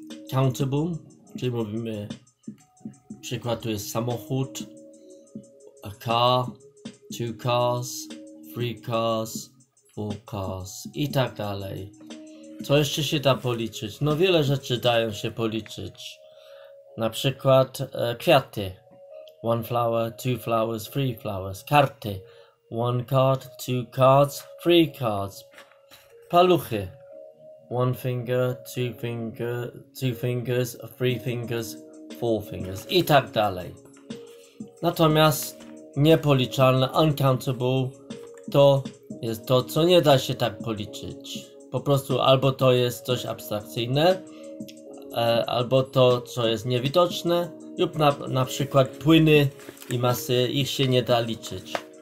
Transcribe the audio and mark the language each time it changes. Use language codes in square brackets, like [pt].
[pl] Countable, czyli mówimy, przykład tu jest samochód, [en] a car, two cars, three cars, four cars [pl] i tak dalej. Co jeszcze się da policzyć? No wiele rzeczy dają się policzyć. Na przykład kwiaty. [en] One flower, two flowers, three flowers. Karty. One card, two cards, three cards. Paluchy. One finger, two finger, two fingers, three fingers, four fingers. [pl] I tak dalej. Natomiast niepoliczalne, uncountable, to jest to, co nie da się tak policzyć. Po prostu albo to jest coś abstrakcyjne, albo to, co jest niewidoczne, lub na przykład płyny i masy, ich się nie da liczyć.